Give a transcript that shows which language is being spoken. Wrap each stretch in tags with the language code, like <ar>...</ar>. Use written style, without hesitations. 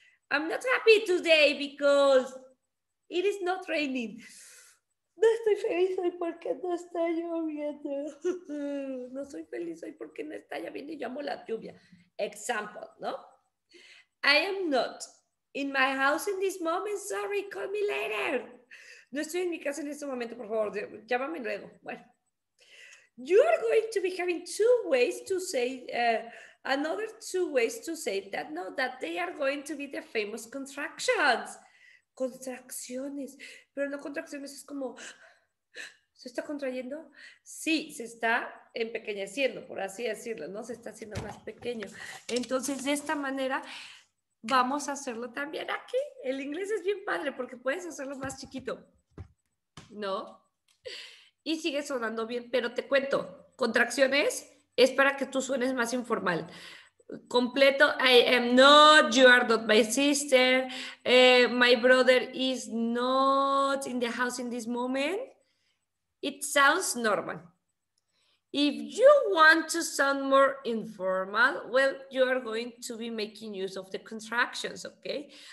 <en>I'm not happy today because it is not raining.</en> <es>No estoy feliz hoy porque no está lloviendo. No soy feliz hoy porque no está lloviendo y yo amo la lluvia.</es> <en>Example, ¿no? I am not in my house in this moment. Sorry, call me later.</en> <es>No estoy en mi casa en este momento, por favor. Llámame luego. Bueno.</es> <en>You are going to be having two ways to say, another two ways to say that, no, that they are going to be the famous contractions.</en> <es>Contracciones. Pero no contracciones, es como, ¿se está contrayendo? Sí, se está empequeñeciendo, por así decirlo, ¿no? Se está haciendo más pequeño. Entonces, de esta manera, vamos a hacerlo también aquí. El inglés es bien padre porque puedes hacerlo más chiquito, ¿no? Y sigue sonando bien, pero te cuento, contracciones es para que tú suenes más informal. Completo,</es> <en>I am not, you are not my sister, my brother is not in the house in this moment. It sounds normal. If you want to sound more informal, well, you are going to be making use of the contractions, okay?</en>